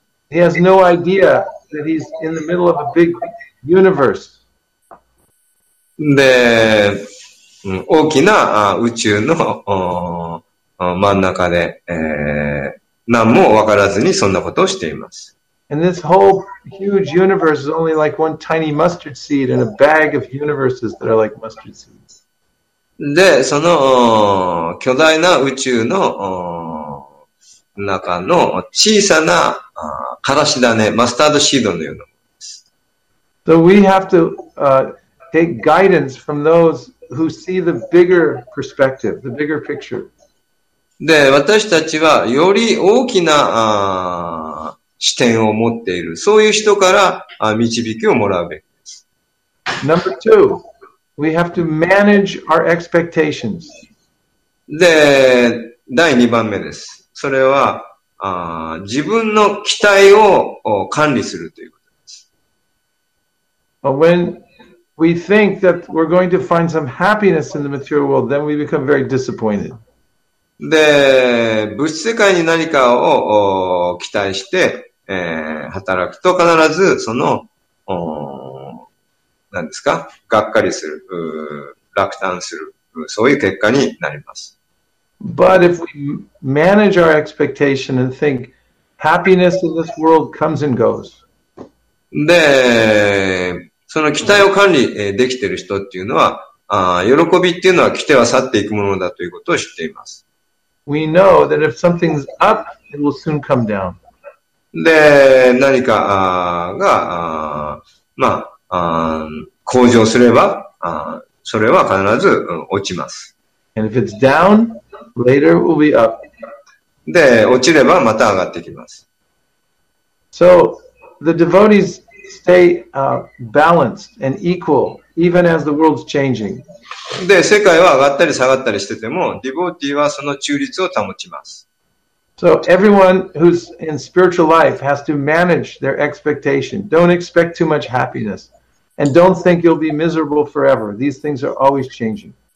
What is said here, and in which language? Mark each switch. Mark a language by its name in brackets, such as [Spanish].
[English] He has no idea that he's in the middle of a big universe. [Japanese] で、大きな宇宙の真ん中で、何も分からずにそんなことをしています。 [English] And this whole huge universe is only like one tiny mustard seed in a bag of universes that are like mustard seeds. [Japanese] で、その巨大な宇宙の中の小さなからし種、マスタードシードのようなものです。 [English] So we have to take guidance from those who see the bigger perspective, the bigger picture. [Japanese] で、私たちはより大きな視点を持っている。そういう人から導きをもらうべきです。 [English] Number two, we have to manage our expectations. [Japanese] で、第2番目です。それは自分の期待を管理するということです。 [English] When we think that we're going to find some happiness in the material world, then we become very disappointed. [Japanese] で、物質世界に何かを期待して、働くと必ずその、何ですか、がっかりする、落胆する、そういう結果になります。 [English] But if we manage our expectation and think happiness in this world comes and goes. [Japanese] で、その期待を管理できている人っていうのは、喜びっていうのは来ては去っていくものだということを知っています。 [English] We know that if something's up, it will soon come down. [Japanese] で、何かが、まあ、向上すれば、それは必ず落ちます。 [English] And if it's down, later it will be up. [Japanese] で、落ちればまた上がってきます。 [English] So, the devotees stay balanced and equal, even as the world's changing. [Japanese] で、世界は上がったり下がったりしてても、ディボーティーはその中立を保ちます。 [English] So, everyone who's in spiritual life has to manage their expectation. Don't expect too much happiness. And don't think you'll be miserable forever. These things are always changing.